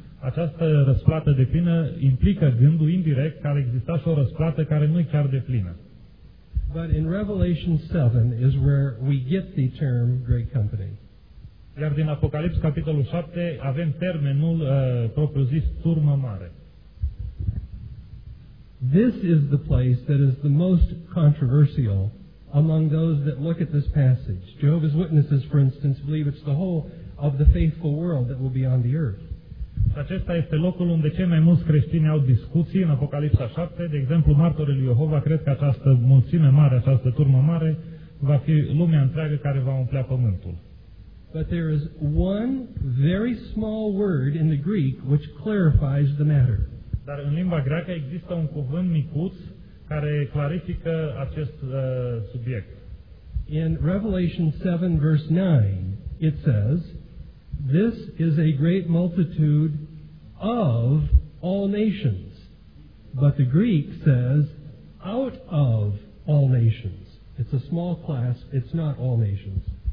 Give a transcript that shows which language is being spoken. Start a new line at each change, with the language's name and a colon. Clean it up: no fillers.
Romanian: Această răsplată de plină implică gândul indirect că ar exista și o răsplată care nu e chiar de plină.
English: But in Revelation 7 is where we get the term great company.
Romanian: Iar din Apocalipsa capitolul 7 avem termenul propriu-zis turmă mare.
English: This is the place that is the most controversial among those that look at this passage. Jehovah's Witnesses, for instance, believe it's the whole of the faithful world that will be on the earth.
Romanian: Și acesta este locul unde cei mai mulți creștini au discuții în Apocalipsa 7. De exemplu, martorii lui Iehova cred că această mulțime mare, această turmă mare, va fi lumea întreagă care va umplea pământul.
English: But there is one very small word in the Greek which clarifies the matter.
Romanian: Dar în limba greacă există un cuvânt micuț care clarifică acest subiect.
English: In Revelation 7 verse 9, it says, "This is a great multitude of all nations." But the Greek says, "out of all nations." It's a small class, it's not all nations.